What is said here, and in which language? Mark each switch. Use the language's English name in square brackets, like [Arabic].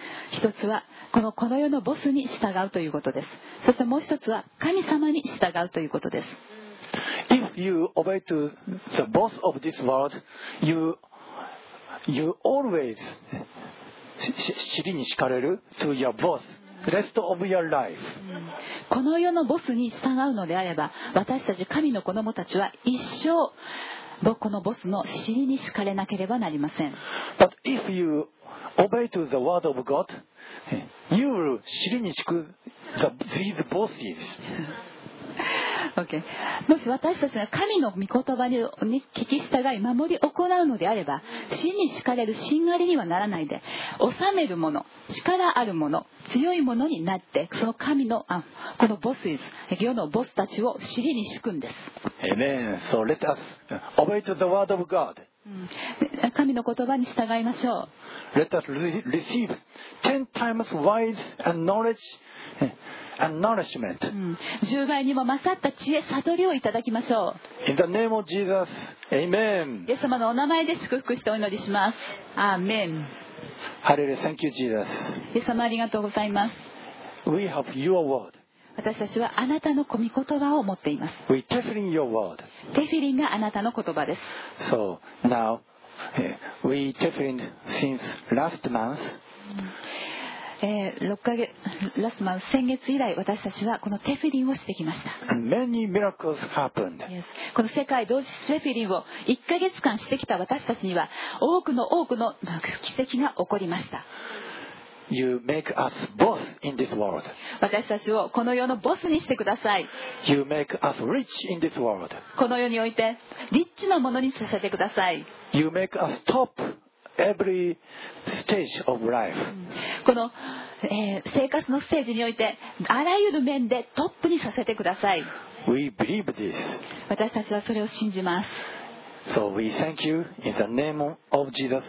[Japanese] 一つはこの世のボスに従うということです。そしてもう一つは神様に従うということです。 [English] If you obey to the boss of this world, you always [Japanese] 尻に敷かれる [English] to your boss, rest of your life. [Japanese] この世のボスに従うのであれば、私たち神の子供たちは一生このボスの尻に敷かれなければなりません。 [English] But if you obey to the word of God, you will [Japanese] 尻に敷く [English] these bosses. Okay. [Japanese] もし私たちが神の御言葉に聞き従い守り行うのであれば、尻に敷かれる身狩りにはならないで、治めるもの、力あるもの、強いものになって、その神のこの bosses、世のボスたちを尻に敷くんです。 [English] Amen. So let us obey to the word of God. [Japanese] 神の言葉に従いましょう。 [English] Let us receive ten times wise and knowledge and nourishment. [Japanese] 十倍にも勝った知恵、悟りをいただきましょう。 [English] In the name of Jesus, Amen. [Japanese] イエス様のお名前で祝福してお祈りします。アーメン。 [English] ハレルヤ、Thank you, Jesus. [Japanese] イエス様ありがとうございます。 [English] We have your word. [Japanese] 私たちはあなたの御言葉を持っています。 [English] We tefillin your word. [Japanese] テフィリンがあなたの言葉です。 [English] So now we tefillin since last month. [Japanese] 6ヶ月、先月以来私たちはこのテフィリンをしてきました。 [English] Many miracles happened. Yes. [Japanese] この世界同時テフィリンを1ヶ月間してきた私たちには多くの多くの奇跡が起こりました。 [English] You make us boss in this world. [Japanese] 私たちをこの世のボスにしてください。 [English] You make us rich in this world. [Japanese] この世においてリッチなものにさせてください。 [English] You make us top every stage of life. [Japanese] この、生活のステージにおいてあらゆる面でトップにさせてください。 [English] We believe this. [Japanese] 私たちはそれを信じます。 [English] So we thank you in the name of Jesus.